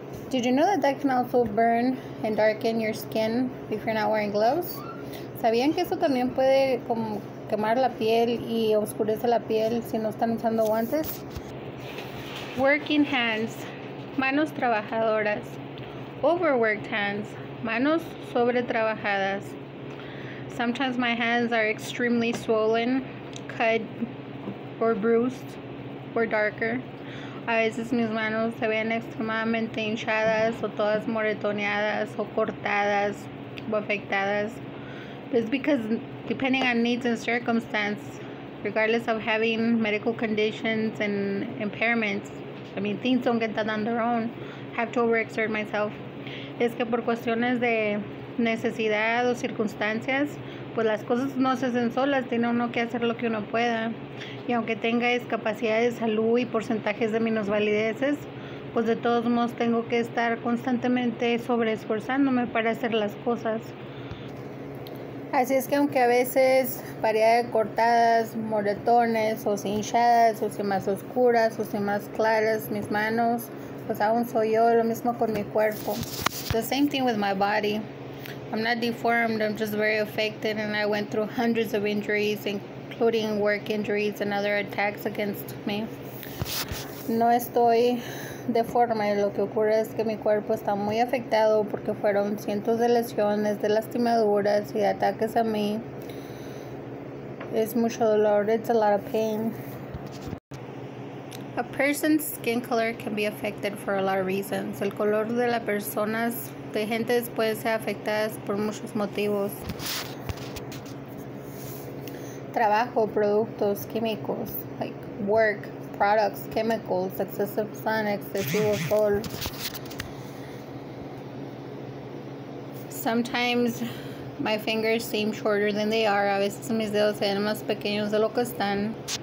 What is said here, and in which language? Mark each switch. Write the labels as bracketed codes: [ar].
[en] Did you know that that can also burn and darken your skin if you're not wearing gloves? [es] ¿Sabían que eso también puede como quemar la piel y oscurecer la piel si no están usando guantes? [en] Working hands, [es] manos trabajadoras. [en] Overworked hands, [es] manos sobretrabajadas. [en] Sometimes my hands are extremely swollen, cut, or bruised, or darker. [es] A veces mis manos se ven extremadamente hinchadas o todas moretoneadas o cortadas o afectadas. [en] It's because depending on needs and circumstance, regardless of having medical conditions and impairments, I mean things don't get done on their own, I have to overexert myself. [es] Es que por cuestiones de necesidad o circunstancias, pues las cosas no se hacen solas, tiene uno que hacer lo que uno pueda. Y aunque tenga discapacidad de salud y porcentajes de minusvalideces, pues de todos modos tengo que estar constantemente sobreesforzándome para hacer las cosas. Así es que aunque a veces varía de cortadas, moretones, o si hinchadas, o si más oscuras, o si más claras mis manos, pues aún soy yo, lo mismo con mi cuerpo. [en] The same thing with my body. I'm not deformed, I'm just very affected, and I went through hundreds of injuries, including work injuries and other attacks against me. [es] No estoy deforme, lo que ocurre es que mi cuerpo está muy afectado porque fueron cientos de lesiones, de lastimaduras y ataques a mí. Es mucho dolor, [en] it's a lot of pain. A person's skin color can be affected for a lot of reasons. [es] El color de la persona's de gente puede ser afectadas por muchos motivos. Trabajo, productos, químicos, [en] like work, products, chemicals, excessive sun, [es] excesivo sol. [en] Sometimes my fingers seem shorter than they are. [es] A veces mis dedos se ven más pequeños de lo que están.